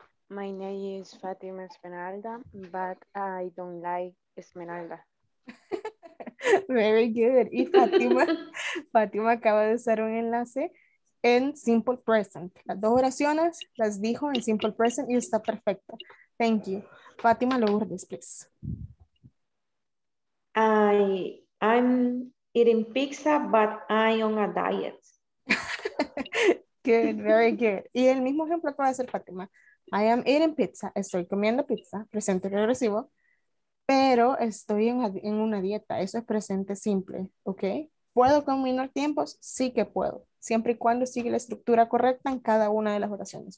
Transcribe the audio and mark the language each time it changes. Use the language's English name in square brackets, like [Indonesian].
[English] My name is Fátima Esmeralda, but I don't like Esmeralda. Very good. [Spanish] Y Fátima acaba de usar un enlace en simple present. Las dos oraciones las dijo en simple present y está perfecto. [English] Thank you. Fátima Lourdes, please. I'm eating pizza, but I'm on a diet. Good, very good. [Spanish] Y el mismo ejemplo que va a hacer Fátima. [English] I am eating pizza, [Spanish] estoy comiendo pizza, presente regresivo, pero estoy en una dieta, eso es presente simple, ¿ok? ¿Puedo combinar tiempos? Sí que puedo, siempre y cuando sigue la estructura correcta en cada una de las oraciones.